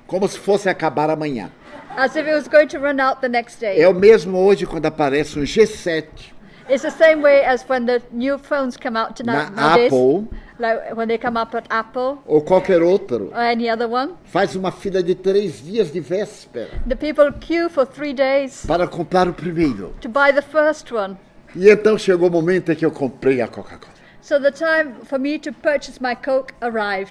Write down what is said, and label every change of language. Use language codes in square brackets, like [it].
[pt] Como se fosse acabar amanhã. [en] As if it was going to run out the next day. [pt] É o mesmo hoje quando aparece um G7. [en] It's the same way as when the new phones come out tonight. [pt] Apple. [en] Like when they come up at Apple. [pt] Ou qualquer outro. [en] Or any other one. [pt] Faz uma fila de 3 dias de véspera. [en] The people queue for 3 days. [pt] Para comprar o primeiro. [en] To buy the first one. [pt] E então chegou o momento em que eu comprei a Coca-Cola. [en] So the time for me to purchase my Coke arrived.